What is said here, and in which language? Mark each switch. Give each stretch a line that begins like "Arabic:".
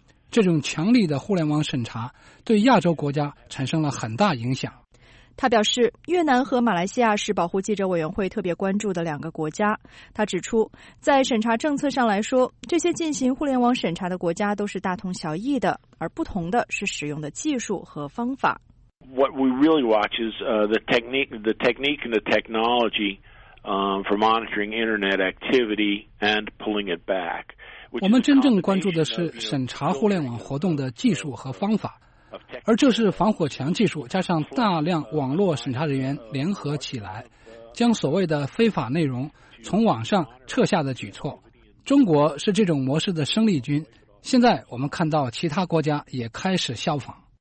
Chinese: 这种强力的互联网审查对亚洲国家产生了很大影响。他表示，越南和马来西亚是保护记者委员会特别关注的两个国家。他指出，在审查政策上来说，这些进行互联网审查的国家都是大同小异的，而不同的是使用的技术和方法。
English: What we really watch is the technique and the technology for monitoring internet activity and pulling it back.
Chinese: 我们真正关注的是审查互联网活动的技术和方法。而这是防火墙技术加上大量网络审查人员联合起来将所谓的非法内容从网上撤下的举措。中国是这种模式的生力军，现在我们看到其他国家也开始效仿。